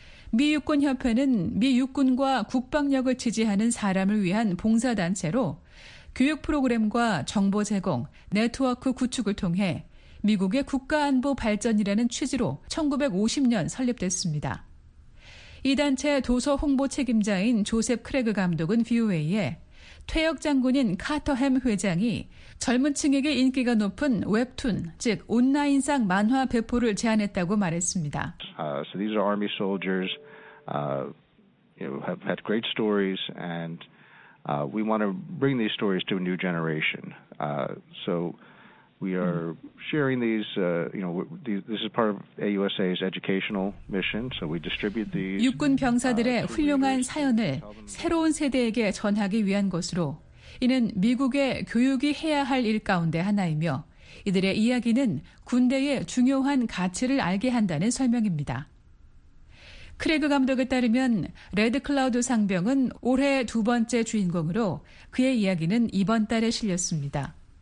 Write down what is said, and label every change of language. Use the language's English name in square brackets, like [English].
[Korean] 미육군협회는 미육군과 국방력을 지지하는 사람을 위한 봉사단체로 교육 프로그램과 정보 제공, 네트워크 구축을 통해 미국의 국가안보 발전이라는 취지로 1950년 설립됐습니다. 이 단체 도서 홍보 책임자인 조셉 크레그 감독은 VOA에 퇴역 장군인 카터햄 회장이 젊은 층에게 인기가 높은 웹툰, 즉 온라인상 만화 배포를 제안했다고 말했습니다. [English] So these are army soldiers, you know, have had great stories and we want to bring these stories to a new generation. So we are sharing these, you know, this is part of AUSA's educational mission. So we distribute these. [Korean] 육군 병사들의 훌륭한 사연을 새로운 세대에게 전하기 위한 것으로 이는 미국의 교육이 해야 할 일 가운데 하나이며 이들의 이야기는 군대의 중요한 가치를 알게 한다는 설명입니다. 크레그 감독에 따르면 레드 클라우드 상병은 올해 두 번째 주인공으로 그의 이야기는 이번 달에 실렸습니다.